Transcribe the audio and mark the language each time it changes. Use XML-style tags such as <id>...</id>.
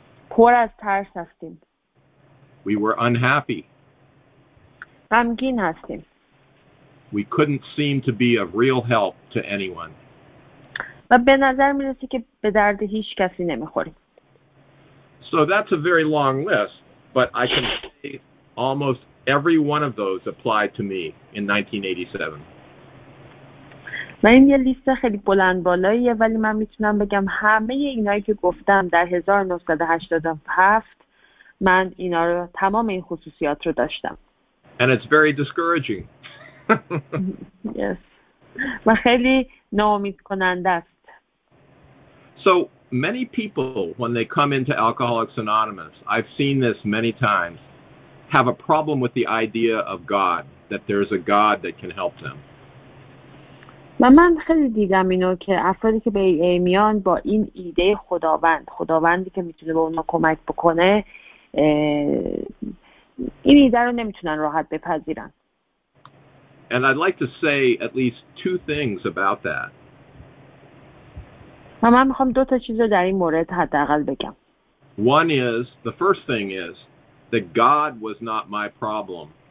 <fa>پر از ترس هستیم.</fa> <en>We were unhappy.</en> <fa>غمگین هستیم.</fa> <en>We couldn't seem to be of real help to anyone.</en> <fa>و به نظر میرسی که به درد هیچ کسی نمیخوریم.</fa> <en>So that's a very long list, but I can say almost every one of those applied to me in 1987.</en> <fa>من یه لیست خیلی بلند بالاییه ولی من میتونم بگم همه اینایی که گفتم در 1987 من اینا رو تمام این خصوصیات رو داشتم.</fa> <en>And it's very discouraging. Yes.</en> <fa>من خیلی ناامید کننده است.</fa> <en>So many people when they come into Alcoholics Anonymous, I've seen this many times, have a problem with the idea of God, that there's a God that can help them.</en> <fa>من خیلی دیدم اینو که افرادی که به AA میان با این ایده خداوند، خداوندی که میتونه به اونا کمک بکنه، این ایده رو نمیتونن راحت بپذیرن.</fa> <en>And I'd like to say at least two things about that.</en> <fa>من میخوام دو تا چیز رو در این مورد حداقل بگم.</fa> <en>One is, the first thing is, that God was not my problem.</en>